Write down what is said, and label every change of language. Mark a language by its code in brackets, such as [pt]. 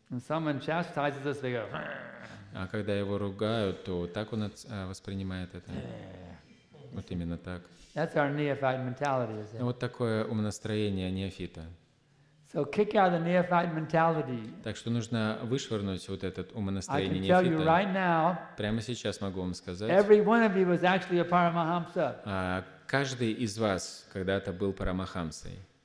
[ru] А когда его ругают, то так он воспринимает это. Вот именно так. [en] That's our neophyte mentality, is it? [ru] Вот такое умонастроение неофита. [en] So kick out the neophyte mentality. [ru] Так что нужно вышвырнуть вот это умонастроение неофита. [en] I can tell you right now, [ru] прямо сейчас могу вам сказать. [en] Every one of you was actually a Paramahamsa. [ru] Каждый из вас когда-то был Парамахамсой.